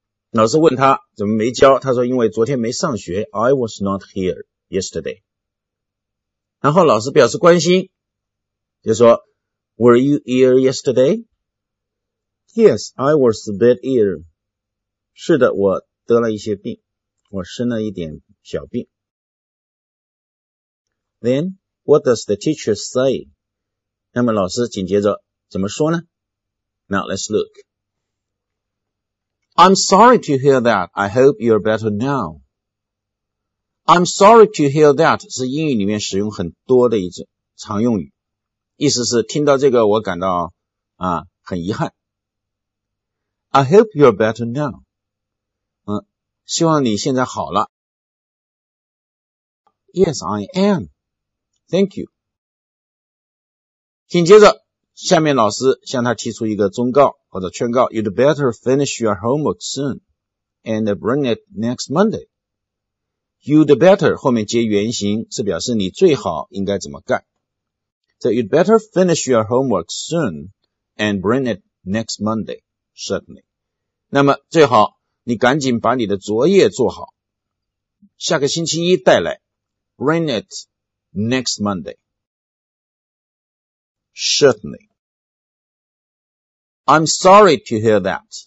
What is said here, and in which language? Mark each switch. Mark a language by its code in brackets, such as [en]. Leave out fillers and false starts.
[zh] 老师问他怎么没交，他说因为昨天没上学， [en] I was not here yesterday。 [zh] 然后老师表示关心，就说 [en] Were you here yesterday? Yes, I was a bit ill. [zh] 是的，我得了一些病，我生了一点小病。 [en] Then, what does the teacher say? [zh] 那么老师紧接着怎么说呢？ [en] Now let's look. I'm sorry to hear that. I hope you're better now. I'm sorry to hear that [zh] 是英语里面使用很多的一种常用语，意思是听到这个我感到很遗憾。 [en] I hope you're better now. [zh] 希望你现在好了。 [en] Yes, I am. Thank you. [zh] 紧接着下面老师向他提出一个忠告或者劝告， [en] You'd better finish your homework soon and bring it next Monday. You'd better [zh] 后面接原形是表示你最好应该怎么干。 [en] So you'd better finish your homework soon and bring it next Monday, certainly. [zh] 那么最好你赶紧把你的作业做好，下个星期一带来， [en] bring it next Monday. Certainly. I'm sorry to hear that.